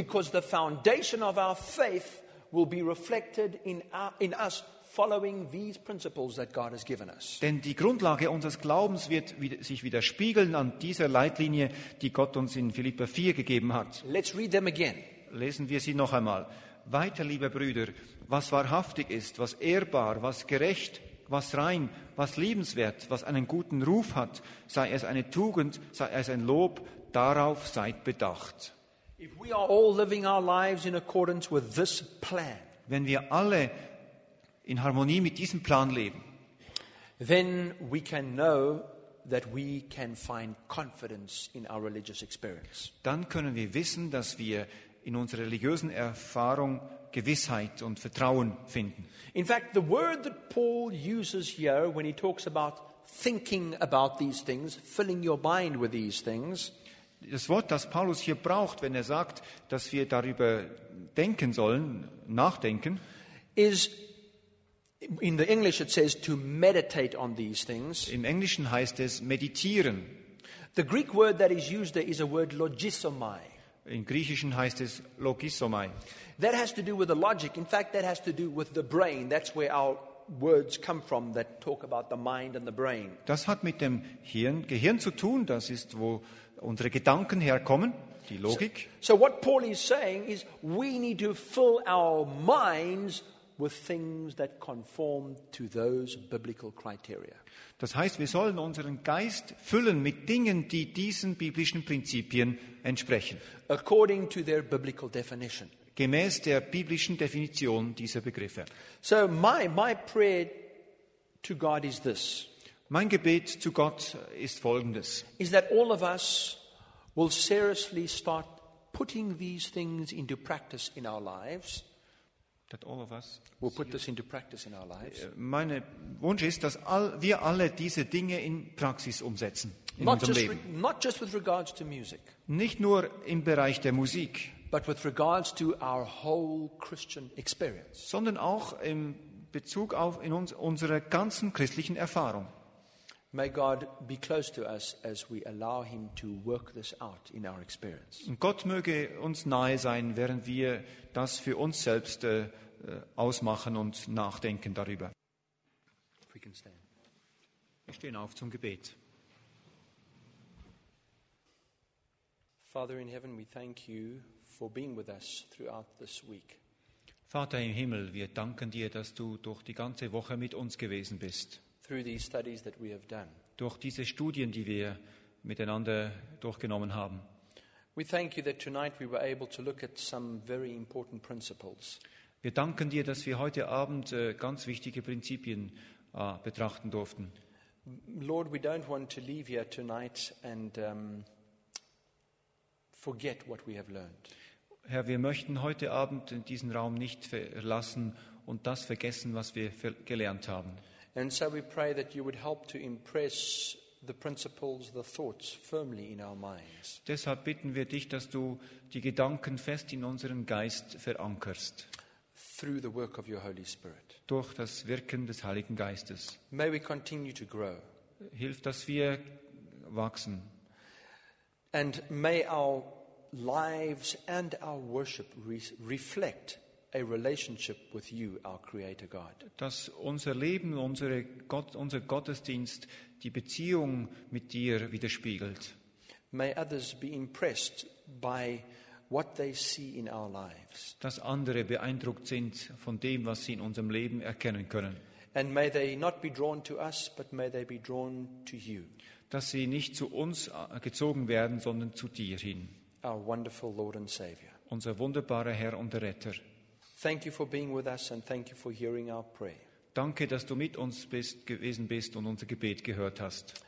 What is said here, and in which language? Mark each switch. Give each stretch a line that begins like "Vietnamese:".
English: Because the foundation of our faith will be reflected in us following these principles that God has given us.
German: Denn die Grundlage unseres Glaubens wird sich widerspiegeln an dieser Leitlinie, die Gott uns in Philipper 4 gegeben hat.
English: Let's read them again.
German: Lesen wir sie noch einmal. Weiter, liebe Brüder, was wahrhaftig ist, was ehrbar, was gerecht, was rein, was liebenswert, was einen guten Ruf hat, sei es eine Tugend, sei es ein Lob, darauf seid bedacht.
English: If we are all living our lives in accordance with this plan,
German: wenn wir alle in Harmonie mit diesem Plan leben,
English: then we can know that we can find confidence in our religious experience.
German: Dann können wir wissen, dass wir in unserer religiösen Erfahrung Gewissheit und Vertrauen finden.
English: In fact, the word that Paul uses here when he talks about thinking about these things, filling your mind with these things,
German: das Wort, das Paulus hier braucht, wenn er sagt, dass wir darüber denken sollen, nachdenken.
English: Is in the English it says to meditate on these things.
German: Im Englischen heißt es meditieren.
English: The Greek word that is used there is a word logisomai.
German: Im Griechischen heißt es logisomai.
English: That has to do with the logic. In fact, that has to do with the brain. That's where our words come from that talk about the mind and the brain.
German: Das hat mit dem Gehirn zu tun. Das ist, wo unsere Gedanken herkommen, die Logik.
English: So what Paul is saying is we need to fill our minds with things that conform to those biblical criteria.
German: Das heißt, wir sollen unseren Geist füllen mit Dingen, die diesen biblischen Prinzipien entsprechen.
English: According to their biblical definition.
German: Gemäß der biblischen Definition dieser Begriffe.
English: So my prayer to God is this.
German: Mein Gebet zu Gott ist folgendes.
English: Is that all of us will seriously start putting these things into practice in our lives. That all of us will put this into practice in our lives.
German: Mein Wunsch ist, dass wir alle diese Dinge in Praxis umsetzen in unserem Leben.
English: Not just with regards to music.
German: Nicht nur im Bereich der Musik.
English: But with regards to our whole Christian experience.
German: Sondern auch im Bezug auf in unsere ganzen christlichen Erfahrung.
English: May God be close to us as we allow Him to work this out in our experience.
German: Und Gott möge uns nahe sein, während wir das für uns selbst ausmachen und nachdenken darüber. Wir stehen auf zum Gebet.
English: Father in heaven, we thank you for being with us throughout this week.
German: Vater im Himmel, wir danken dir, dass du durch die ganze Woche mit uns gewesen bist.
English: Through these studies that we have done.
German: Durch diese Studien, die wir miteinander durchgenommen haben.
English: We thank you that tonight we were able to look at some very important principles.
German: Wir danken dir, dass wir heute Abend ganz wichtige Prinzipien betrachten durften.
English: Lord, we don't want to leave here tonight and forget what we have learned.
German: Herr, wir möchten heute Abend diesen Raum nicht verlassen und das vergessen, was wir gelernt haben.
English: And so we pray that you would help to impress the principles, the thoughts firmly in our minds.
German: Deshalb bitten wir dich, dass du die Gedanken fest in unseren Geist verankerst.
English: Through the work of your Holy Spirit.
German: Durch das Wirken des Heiligen Geistes.
English: May we continue to grow.
German: Hilf, dass wir wachsen.
English: And may our lives and our worship reflect a relationship with you, our Creator God.
German: Dass unser Leben, unser Gottesdienst die Beziehung mit dir widerspiegelt.
English: May others be impressed by what they see in our lives.
German: Dass andere beeindruckt sind von dem, was sie in unserem Leben erkennen können.
English: And may they not be drawn to us, but may they be drawn to you.
German: Dass sie nicht zu uns gezogen werden, sondern zu dir hin.
English: Our wonderful Lord and Savior.
German: Unser wunderbarer Herr und Retter.
English: Thank you for being with us and thank you for hearing our prayer.
German: Danke, dass du mit uns gewesen bist und unser Gebet gehört hast.